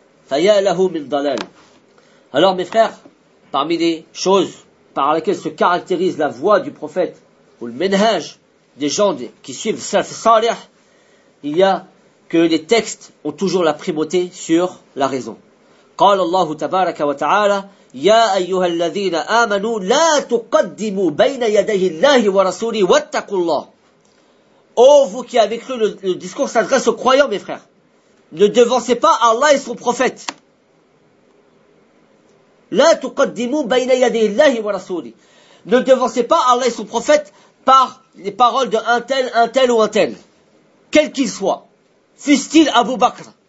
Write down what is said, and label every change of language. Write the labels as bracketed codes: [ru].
[fr] Alors mes frères, parmi les choses par lesquelles se caractérise la voie du prophète ou le menhaj des gens qui suivent Salaf Salih, il y a que les textes ont toujours la primauté sur la raison. [ar] قال الله تبارك وتعالى يا أيها الذين آمنوا لا تقدموا بين يديه الله ورسوله واتقوا الله. [fr] Oh vous qui avez cru, le discours s'adresse aux croyants mes frères. Ne devancez pas Allah et son prophète. [ar] La tuqaddimu bayna yadayhi Allah wa rasuli. [fr] Ne devancez pas Allah et son prophète par les paroles de un tel ou un tel, quel qu'il soit, fût-il Abu Bakr.